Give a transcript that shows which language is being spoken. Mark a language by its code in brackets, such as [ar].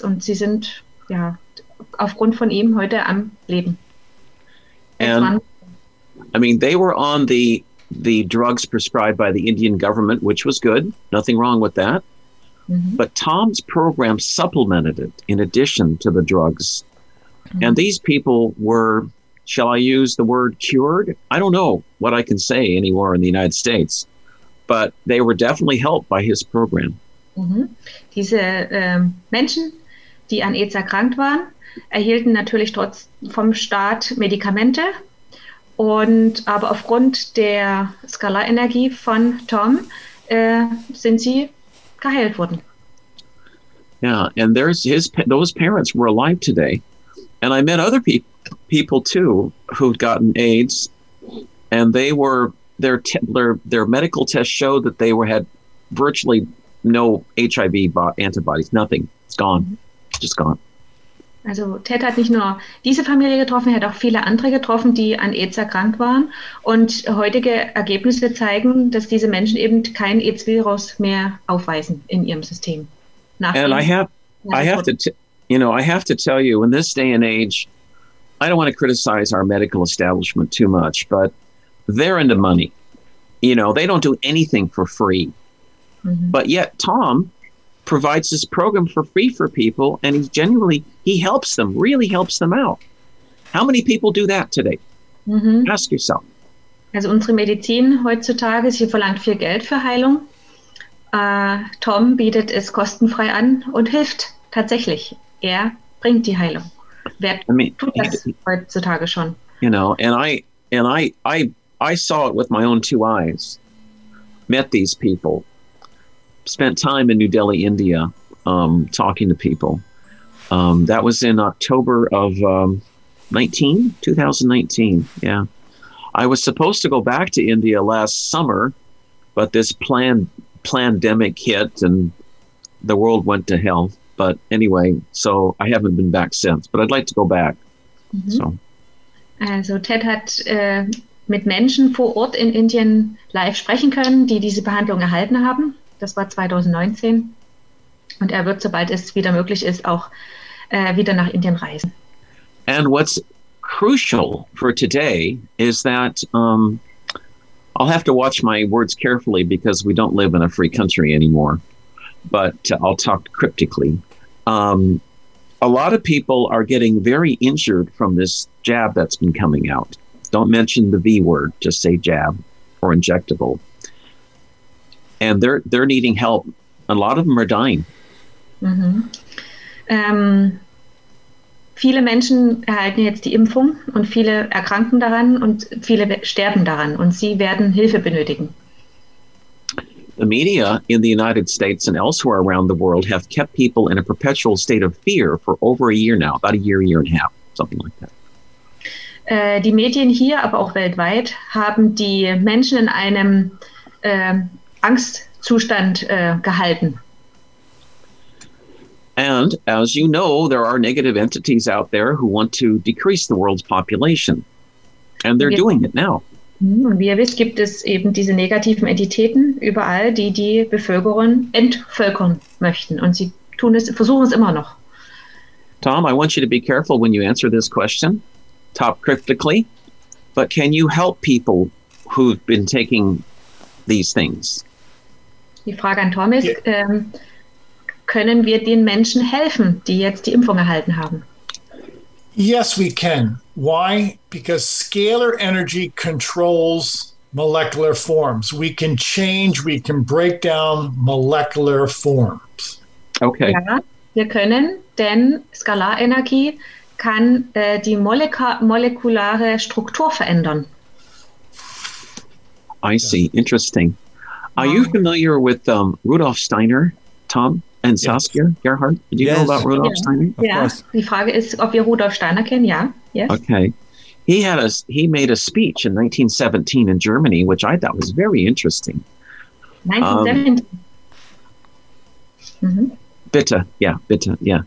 [de] Und sie sind, ja, aufgrund von ihm heute am Leben. [en] And, I mean, they were on the drugs prescribed by the Indian government, which was good. Nothing wrong with that. Mm-hmm. But Tom's program supplemented it in addition to the drugs. Mm-hmm. And these people were, shall I use the word cured? I don't know what I can say anymore in the United States, but they were definitely helped by his program. Mm-hmm. [de] Diese Menschen, die an AIDS erkrankt waren, erhielten natürlich trotz vom Staat Medikamente. Und aber aufgrund der Skalarenergie von Tom sind sie geheilt worden. [en] Yeah, and there's those parents were alive today. And I met other people too who'd gotten AIDS, and they were their medical tests showed that they had virtually no HIV antibodies, nothing. It's gone. Mm-hmm. Just gone. [de] Also Ted hat nicht nur diese Familie getroffen, er hat auch viele andere getroffen, die an AIDS erkrankt waren. Und heutige Ergebnisse zeigen, dass diese Menschen eben kein AIDS-Virus mehr aufweisen in ihrem System. [en] I have to tell you, in this day and age, I don't want to criticize our medical establishment too much, but they're into money. You know, they don't do anything for free. Mm-hmm. But yet Tom provides this program for free for people, and he genuinely, he helps them, really helps them out. How many people do that today? Mm-hmm. Ask yourself. [de] Also unsere Medizin heutzutage, sie verlangt viel Geld für Heilung. Tom bietet es kostenfrei an und hilft tatsächlich. Er bringt die Heilung. Wer tut das heutzutage schon? [en] You know, and I saw it with my own two eyes. Met these people. Spent time in New Delhi, India, talking to people. That was in October of 2019. Yeah. I was supposed to go back to India last summer, but this pandemic hit and the world went to hell. But anyway, so I haven't been back since, but I'd like to go back. Mm-hmm. So. [de] Also Ted hat mit Menschen vor Ort in Indien live sprechen können, die diese Behandlung erhalten haben. Das war 2019. Und er wird, sobald es wieder möglich ist, auch wieder nach Indien reisen. [en] And what's crucial for today is that I'll have to watch my words carefully because we don't live in a free country anymore. But I'll talk cryptically. A lot of people are getting very injured from this jab that's been coming out. Don't mention the V word, just say jab or injectable. And they're needing help. A lot of them are dying. Mm-hmm. [de] Viele Menschen erhalten jetzt die Impfung und viele erkranken daran und viele sterben daran und sie werden Hilfe benötigen. [en] The media in the United States and elsewhere around the world have kept people in a perpetual state of fear for over a year now, about a year, year and a half, something like that. [de] Die Medien hier, aber auch weltweit, haben die Menschen in einem Angstzustand gehalten. [en] And as you know, there are negative entities out there who want to decrease the world's population. And they're doing it now. [de] Und wie ihr wisst, gibt es eben diese negativen Entitäten überall, die Bevölkerung entvölkern möchten. Und sie versuchen es immer noch. [en] Tom, I want you to be careful when you answer this question, top cryptically. But can you help people who've been taking these things? [de] Die Frage an Tom ist, können wir den Menschen helfen, die jetzt die Impfung erhalten haben? [en] Yes, we can. Why? Because scalar energy controls molecular forms. We can change, we can break down molecular forms. Okay. [de] Ja, wir können, denn Skalarenergie kann die molekulare Struktur verändern. [en] I see. Interesting. Are you familiar with Rudolf Steiner, Tom? And Saskia, yes. Gerhard, do you know about Rudolf Steiner? Yeah. [de] Die Frage ist, ob wir Rudolf Steiner kennen. Ja. Yes. [en] Okay. He had a he made a speech in 1917 in Germany, which I thought was very interesting. 1917. [de] Bitte, ja, bitte, ja.